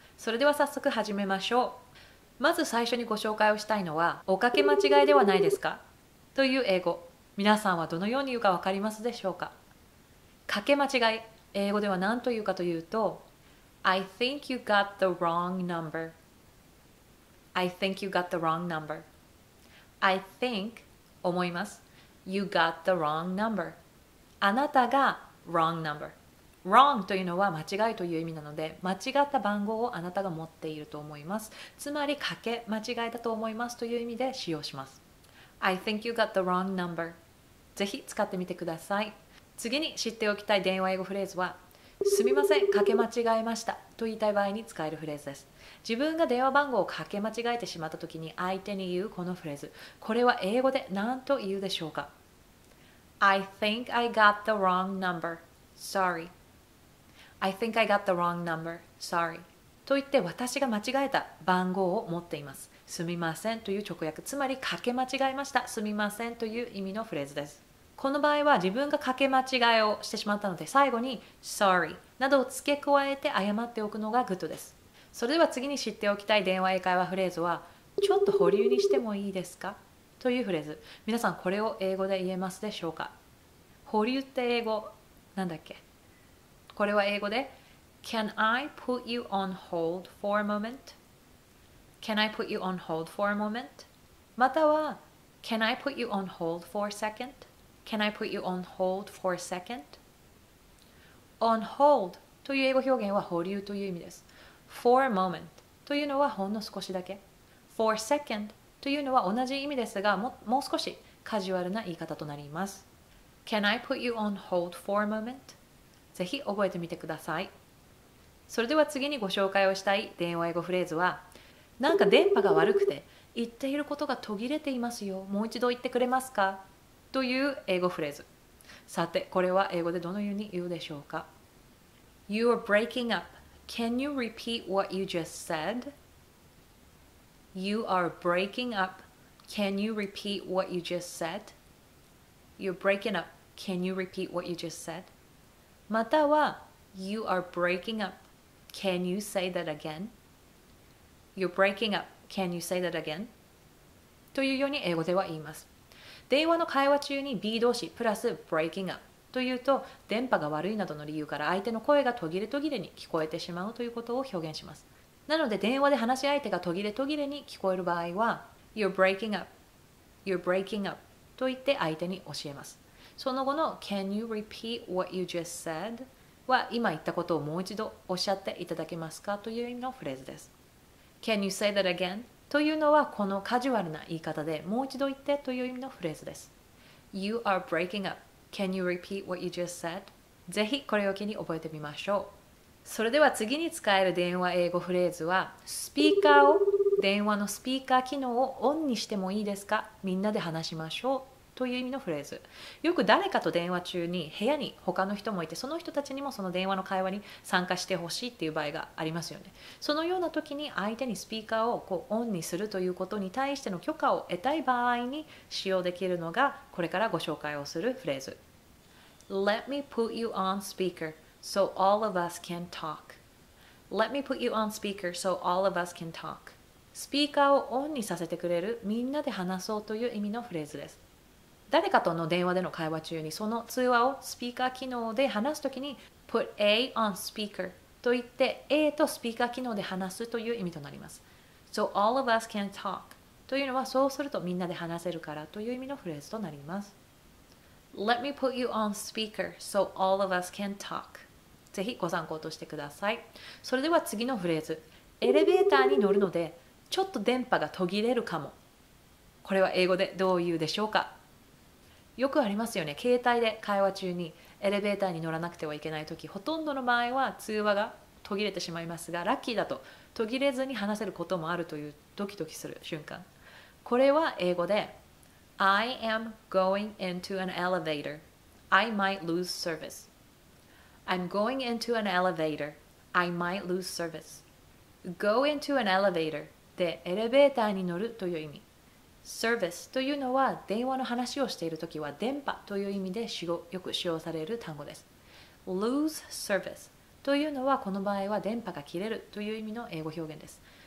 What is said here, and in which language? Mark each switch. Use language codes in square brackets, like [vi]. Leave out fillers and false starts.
[ja] それでは早速始めましょう。まず最初にご紹介をしたいのは、おかけ間違いではないですか?という英語。皆さんはどのように言うか分かりますでしょうか。かけ間違い、英語では何と言うかというと、 [en] I think you got the wrong number. I think you got the wrong number. I think, [ja] 思います。 [en] You got the wrong number. [ja] あなたが [en] wrong number. [ja] Wrong というのは間違いという意味なので、間違った番号をあなたが持っていると思います。つまり、かけ間違いだと思いますという意味で使用します。 [en] I think you got the wrong number. [ja] ぜひ使ってみてください。次に知っておきたい電話英語フレーズは、すみません、かけ間違えましたと言いたい場合に使えるフレーズです。自分が電話番号をかけ間違えてしまった時に相手に言うこのフレーズ、これは英語で何と言うでしょうか。 [en] I think I got the wrong number. Sorry. I think I got the wrong number. Sorry. [ja] と言って、私が間違えた番号を持っています。すみませんという直訳、つまりかけ間違えました、すみませんという意味のフレーズです。この場合は自分がかけ間違いをしてしまったので、最後に sorry などを付け加えて謝っておくのがグッドです。それでは次に知っておきたい電話英会話フレーズは、ちょっと保留にしてもいいですかというフレーズ。皆さんこれを英語で言えますでしょうか。保留って英語なんだっけ。これは英語で [en] Can I put you on hold for a momentCan I put you on hold for a moment? または、Can I put you on hold for a second? Can I put you on hold for a second? On hold [ja] という英語表現は保留という意味です。 [en] For a moment [ja] というのはほんの少しだけ。 [en] For a second [ja] というのは同じ意味ですが、もう少しカジュアルな言い方となります。 [en] Can I put you on hold for a moment? [ja] ぜひ覚えてみてください。それでは次にご紹介をしたい電話英語フレーズは、なんか電波が悪くて言っていることが途切れていますよ、もう一度言ってくれますかという英語フレーズ。さて、これは英語でどのように言うでしょうか。 [en] You are breaking up. Can you repeat what you just said? You are breaking up. Can you repeat what you just said? You're breaking up. Can you repeat what you just said? [ja] または [en] You are breaking up. Can you say that againYou're breaking up. Can you say that again? [ja] というように英語では言います。電話の会話中に B 動詞プラス breaking up というと、電波が悪いなどの理由から相手の声が途切れ途切れに聞こえてしまうということを表現します。なので電話で話し相手が途切れ途切れに聞こえる場合は [en] You're breaking up. You're breaking up. [ja] と言って相手に教えます。その後の [en] Can you repeat what you just said? [ja] は今言ったことをもう一度おっしゃっていただけますかという意味のフレーズです。 [en] Can you say that again? [ja] というのはこのカジュアルな言い方で、もう一度言ってという意味のフレーズです。 [en] You are breaking up. Can you repeat what you just said? [ja] ぜひこれを機に覚えてみましょう。それでは次に使える電話英語フレーズは、スピーカーを、電話のスピーカー機能をオンにしてもいいですか? みんなで話しましょうという意味のフレーズ。よく誰かと電話中に部屋に他の人もいて、その人たちにもその電話の会話に参加してほしいっていう場合がありますよね。そのような時に相手にスピーカーをこうオンにするということに対しての許可を得たい場合に使用できるのが、これからご紹介をするフレーズ。 [en] Let me put you on speaker so all of us can talk. Let me put you on speaker so all of us can talk. [ja] スピーカーをオンにさせてくれる、みんなで話そうという意味のフレーズです。誰かとの電話での会話中に、その通話をスピーカー機能で話すときに [en] Put A on speaker [ja] と言って、 A とスピーカー機能で話すという意味となります。 [en] So all of us can talk [ja] というのは、そうするとみんなで話せるからという意味のフレーズとなります。 [en] Let me put you on speaker so all of us can talk。 [ja] ぜひご参考としてください。それでは次のフレーズ、エレベーターに乗るのでちょっと電波が途切れるかも、これは英語でどう言うでしょうか。よくありますよね。携帯で会話中にエレベーターに乗らなくてはいけないとき、ほとんどの場合は通話が途切れてしまいますが、ラッキーだと途切れずに話せることもあるというドキドキする瞬間。これは英語で、 [en] I am going into an elevator. I might lose service. I'm going into an elevator. I might lose service. Go into an elevator. [ja] で、エレベーターに乗るという意味。Service というのは電話の話をしているときは電波という意味でよく使用される単語です。 Lose service というのはこの場合は電波が切れるという意味の英語表現です。